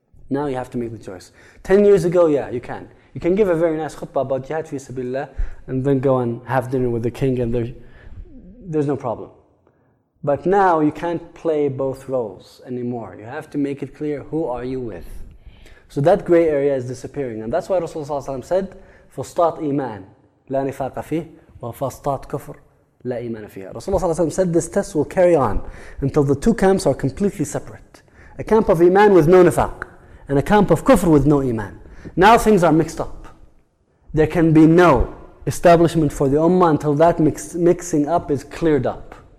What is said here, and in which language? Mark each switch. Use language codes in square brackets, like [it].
[en] Now you have to make the choice. 10 years ago, yeah, you can. You can give a very nice khutbah about jihad fi sabilillah and then go and have dinner with the king and there's no problem. But now you can't play both roles anymore. You have to make it clear who are you with. So that gray area is disappearing. And that's why Rasulullah ﷺ said, [ar] فَاسْتَاطْ إِيمَانٍ لَا نِفَاقَ فِيهِ وَفَاسْتَاطْ كُفْرٍ لَا إِيمَانَ فِيهَا. [en] Rasulullah ﷺ said this test will carry on until the two camps are completely separate. A camp of iman with no nifaq and a camp of kufr with no iman. Now things are mixed up. There can be no establishment for the ummah until that mixing up is cleared up.